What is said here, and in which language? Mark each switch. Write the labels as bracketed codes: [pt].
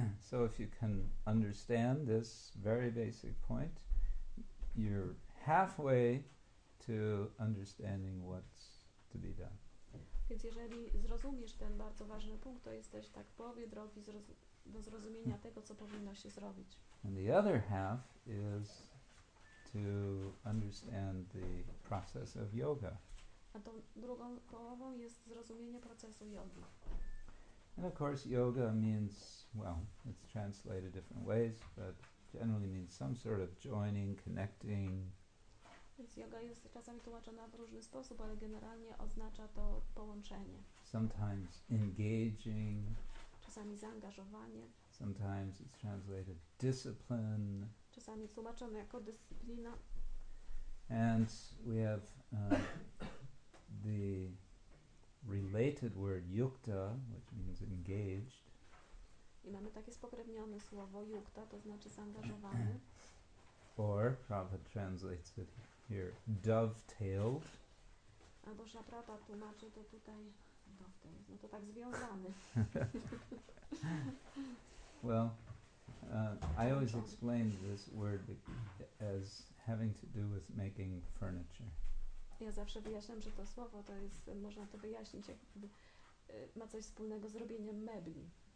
[en] So if you can understand this very basic point, you're halfway to understanding what's to be done. [pl] Więc jeżeli zrozumiesz ten bardzo ważny punkt, to jesteś tak w połowie drogi do zrozumienia tego, co powinno się zrobić. [en] And the other half is to understand the process of yoga. [pl] A tą drugą połową jest zrozumienie procesu jogi. [en] And of course yoga means, well, it's translated different ways, but generally means some sort of joining, connecting. [pl] Więc yoga jest czasami tłumaczona w różny sposób, ale generalnie oznacza to połączenie. [en] Sometimes engaging. [pl] Czasami zaangażowanie. [en] Sometimes it's translated discipline. [pl] Czasami tłumaczone jako dyscyplina. [en] And we have the related word yukta, which means engaged. [pl] I mamy takie spokrewnione słowo yukta, to znaczy zaangażowany. [en] Or Prabhupada translates it here, dovetailed. [pl] Albo Shaprabha tłumaczy to tutaj dovetailed. No to tak związany. [en] Well, I always explain this word as having to do with making furniture. [pl] Ja zawsze wyjaśniam, że to słowo to jest, można to wyjaśnić, jakby ma coś wspólnego z robieniem mebli.